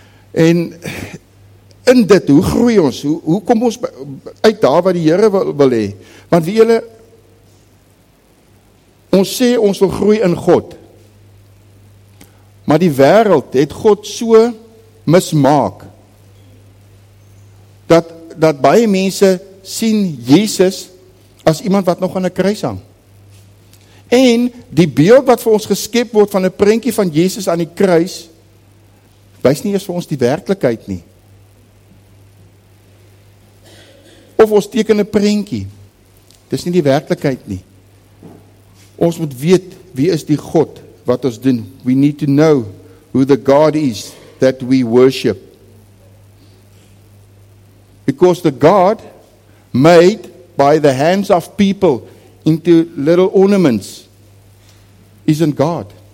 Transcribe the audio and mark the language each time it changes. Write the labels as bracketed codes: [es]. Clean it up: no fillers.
[af] En in dit, hoe groei ons, hoe kom ons uit daar wat die Here wil hê? Want wie julle, ons sê ons wil groei in God, maar die wêreld het God so mismaak dat baie mense sien Jesus as iemand wat nog aan 'n kruis hang. En die beeld wat vir ons geskep word van 'n prentjie van Jesus aan die kruis, wys nie eers vir ons die werklikheid nie. Of ons teken 'n prentjie, dis nie die werklikheid nie. Ons moet weet, wie is die God wat ons dien? [en] We need to know who the God is that we worship. Because the God made by the hands of people into little ornaments isn't God.